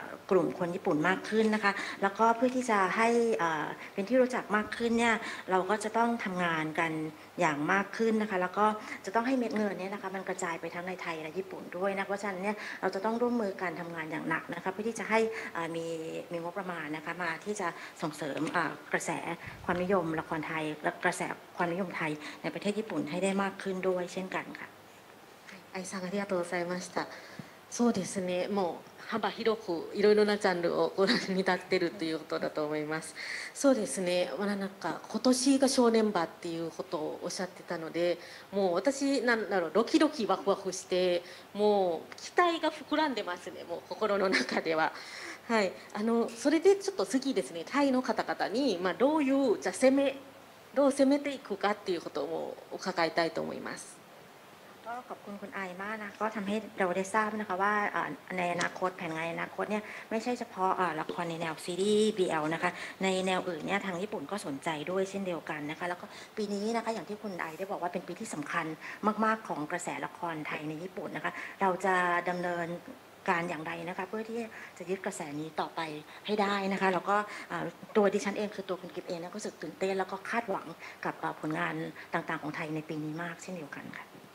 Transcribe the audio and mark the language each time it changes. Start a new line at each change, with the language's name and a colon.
Thai: กลุ่มคนญี่ปุ่นมากขึ้นนะคะแล้วก็เพื่อที่จะให้เป็นที่รู้จักมากขึ้นเนี่ยเราก็จะต้องทำงานกันอย่างมากขึ้นนะคะแล้วก็จะต้องให้เม็ดเงินเนี่ยนะคะมันกระจายไปทั้งในไทยและญี่ปุ่นด้วยนะเพราะฉะนั้นเนี่ยเราจะต้องร่วมมือกันทำงานอย่างหนักนะคะเพื่อที่จะให้มีงบประมาณนะคะมาที่จะส่งเสริมกระแสความนิยมละครไทยและกระแสความนิยมไทยในประเทศญี่ปุ่นให้ได้มากขึ้นด้วยเช่นกันค่ะ
Japanese: ไอซังありがとうございましたそうですねもう幅広くいろいろなジャンルをご覧に立ってるということだと思います。そうですね。まあなんか今年が正念場っていうことをおっしゃってたので、もう私なんだろうドキドキワクワクして、もう期待が膨らんでますね。もう心の中では。はい。それでちょっと次ですね。タイの方々にまあどういうじゃ攻めどう攻めていくかっていうことをお伺いたいと思います。
Thai: ขอบคุณคุณไอมากนะก็ทำให้เราได้ทราบนะคะว่าในอนาคตแผนงานอนาคตเนี่ยไม่ใช่เฉพาะละครในแนวซีรีส์ BL นะคะในแนวอื่นเนี่ยทางญี่ปุ่นก็สนใจด้วยเช่นเดียวกันนะคะแล้วก็ปีนี้นะคะอย่างที่คุณไอได้บอกว่าเป็นปีที่สำคัญมากๆของกระแสละครไทยในญี่ปุ่นนะคะเราจะดำเนินการอย่างไรนะคะเพื่อที่จะยึดกระแสนี้ต่อไปให้ได้นะคะแล้วก็ตัวดิฉันเองคือตัวคุณกิฟเองก็รู้สึกตื่นเต้นแล้วก็คาดหวังกับผลงานต่างๆของไทยในปีนี้มากเช่นเดียวกันค่ะ